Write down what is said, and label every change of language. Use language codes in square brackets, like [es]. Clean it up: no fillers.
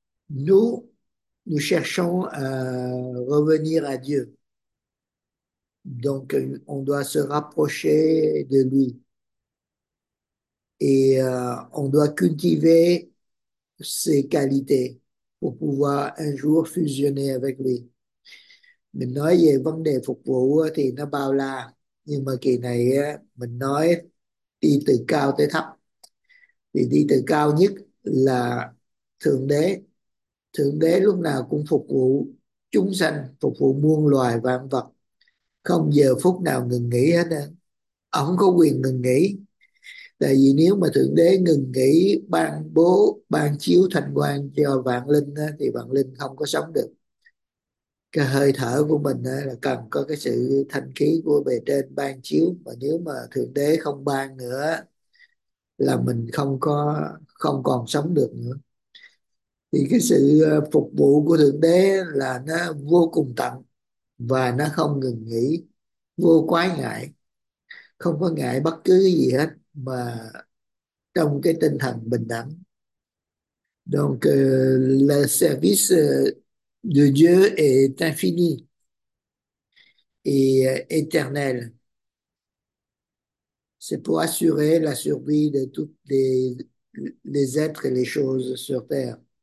[fr] Nous, nous cherchons à revenir à Dieu. Donc, on doit se rapprocher de lui. Et on doit cultiver ses qualités pour pouvoir un jour fusionner avec lui. [vi] Mình nói về vấn đề phục vụ thì nó bao la, nhưng mà kỳ này mình nói đi từ cao tới thấp. Thì đi từ cao nhất là Thượng Đế. Thượng Đế lúc nào cũng phục vụ chúng sanh, phục vụ muôn loài vạn vật, không giờ phút nào ngừng nghỉ hết. Ông không có quyền ngừng nghỉ. Tại vì nếu mà Thượng Đế ngừng nghỉ ban bố, ban chiếu thanh quang cho vạn linh thì vạn linh không có sống được. Cái hơi thở của mình là cần có cái sự thanh khí của bề trên ban chiếu. Và nếu mà Thượng Đế không ban nữa là mình không còn sống được nữa. Thì cái sự phục vụ của Thượng Đế là nó vô cùng tận và nó không ngừng nghỉ, vô quái ngại, không có ngại bất cứ cái gì hết, mà trong cái tinh thần bình đẳng. [fr] Donc le service de Dieu est infini et éternel. C'est pour assurer la survie de toutes les êtres et les choses sur Terre.